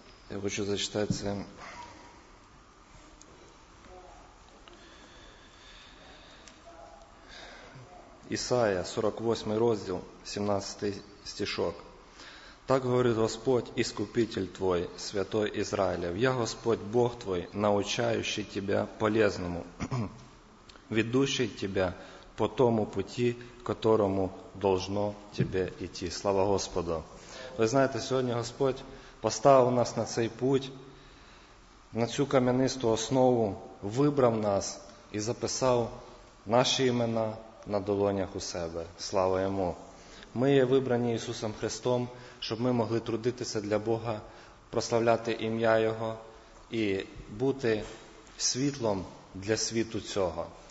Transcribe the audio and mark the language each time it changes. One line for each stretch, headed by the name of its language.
Ukrainian: Я хочу зачитати це. Ісаія, 48 розділ, 17 стішок.
Russian: Так говорить Господь, Іскупитель твой, Святой Ізраїлєв. Я, Господь, Бог твой, научающий тебя полезному, ведущий тебя по тому пути, которому должно тебе йти.
Ukrainian: Слава Господу! Ви знаєте, сьогодні Господь поставив нас на цей путь, на цю кам'янисту основу вибрав нас і записав наші імена на долонях у себе. Слава Йому! Ми є вибрані Ісусом Христом, щоб ми могли трудитися для Бога, прославляти ім'я Його і бути світлом для світу цього.